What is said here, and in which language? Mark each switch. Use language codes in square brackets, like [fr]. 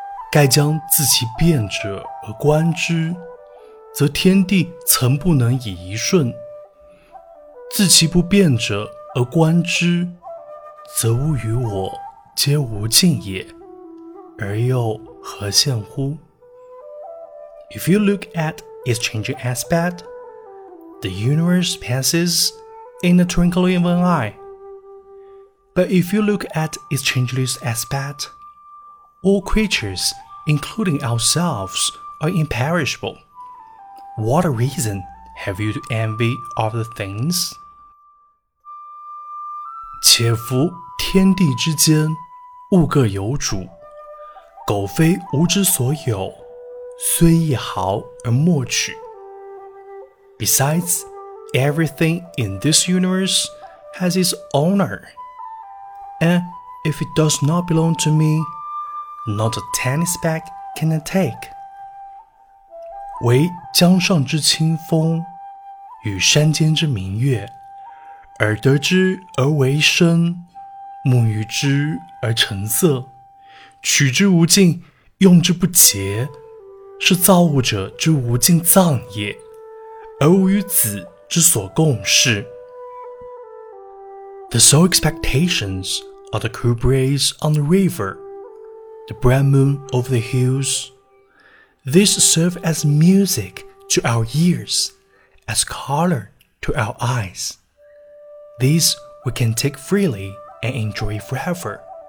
[zh] 盖将自其变者而观之，则天地曾不能以一瞬；自其不变者而观之，则物与我皆无尽也，而又何羡乎？ [en] If you look at its changing aspect, the universe passes in the twinkling of an eye. But if you look at its changeless aspect, all creatures, including ourselves, are imperishable. What reason have you to envy other things? [zh] 且夫天地之间，物各有主，苟非吾之所有，虽一毫而莫取。 [en] Besides, everything in this universe has its owner, and if it does not belong to me, not a tiny speck can I take. [zh] 唯江上之清风与山间之明月，耳得之而为声，目遇之而成色，取之无尽，用之不竭，是造物者之无尽藏也，而无与子之所共事。 [en] The sole expectations are the cool breeze on the river, the bright moon over the hills. These serve as music to our ears, as color to our eyes. These we can take freely and enjoy forever.